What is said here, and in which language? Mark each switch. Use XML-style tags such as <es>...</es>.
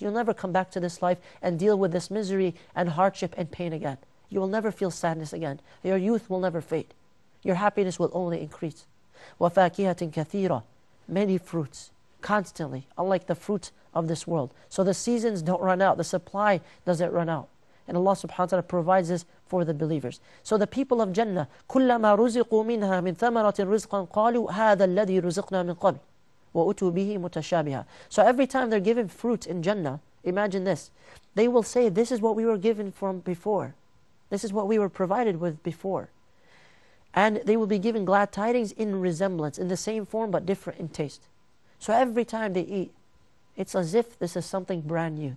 <en>You'll never come back to this life and deal with this misery and hardship and pain again. You will never feel sadness again. Your youth will never fade. Your happiness will only increase.</en> <ar>وَفَاكِهَةٍ كَثِيرًا.</ar> <en>Many fruits. Constantly, unlike the fruits of this world. So the seasons don't run out, the supply doesn't run out. And Allah subhanahu wa ta'ala provides this for the believers. So the people of Jannah,</en> <ar>كُلَّمَا رُزِقُوا مِنْهَا مِنْ ثَمَرَةٍ رِزْقًا قَالُوا هَذَا الَّذِي رُزِقْنَا مِنْ قَبْلِ وَأُتُوا بِهِ مُتَشَابِهًا.</ar> <en>So every time they're given fruit in Jannah, imagine this, they will say, this is what we were given from before. This is what we were provided with before. And they will be given glad tidings in resemblance, in the same form but different in taste. So every time they eat, it's as if this is something brand new.</en>